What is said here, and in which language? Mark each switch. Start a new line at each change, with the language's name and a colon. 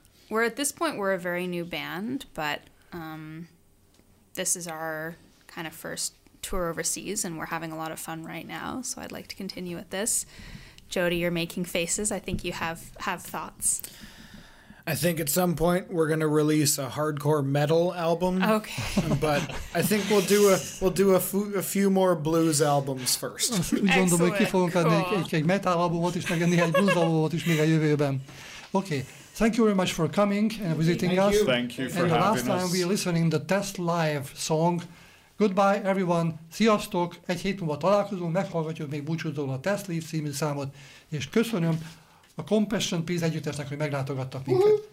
English: We're at this point, we're a very new band, but this is our kind of first tour overseas, and we're having a lot of fun right now, so I'd like to continue with this. Jody, you're making faces. I think you have thoughts. I think at some point we're going to release a hardcore metal album. Okay. But I think we'll do a few more blues albums first.
Hungarian: Gondolom, hogy ki fogunk adni egy metal albumot is, meg néhány blues albumot is még a jövőben.
English: Okay. Thank you very much for coming and visiting Thank us. You. Thank you for and having us. And last time we were listening the Test Live song. Goodbye, everyone.
Hungarian: Sziasztok! Egy hét múlva találkozunk, meghallgatjuk még búcsúzóan a Test Live című számot, és köszönöm a Compassion Peace együttesnek, hogy meglátogattak minket.